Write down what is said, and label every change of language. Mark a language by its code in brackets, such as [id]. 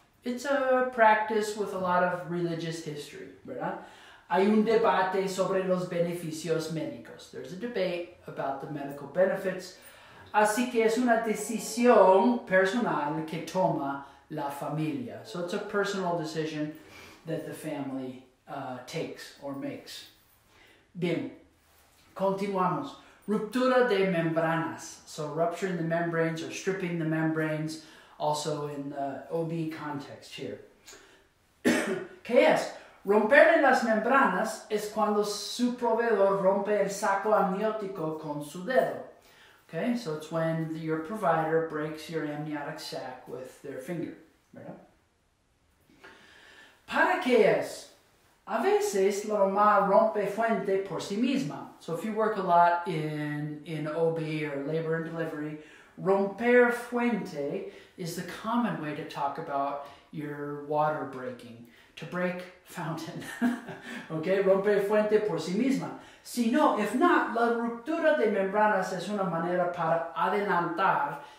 [en] It's a practice with a lot of religious history, ¿verdad? [es] Hay un debate sobre los beneficios médicos. [en] There's a debate about the medical benefits. [es] Así que es una decisión personal que toma la familia. [en] So it's a personal decision that the family takes or makes. [es] Bien, continuamos. Ruptura de membranas. [en] So rupturing the membranes or stripping the membranes, also in the OB context here. [es] ¿Qué es? Romper las membranas es cuando su proveedor rompe el saco amniótico con su dedo. [en] Okay, so it's when your provider breaks your amniotic sac with their finger. [es] ¿Verdad? ¿Para qué es? A veces la mamá rompe fuente por sí misma. [en] So if you work a lot in OB or labor and delivery, romper fuente is the common way to talk about your water breaking. To break fountain, okay? [es] Romper fuente por sí misma. Si no, [en] if not, [es] la ruptura de membranas es una manera para adelantar.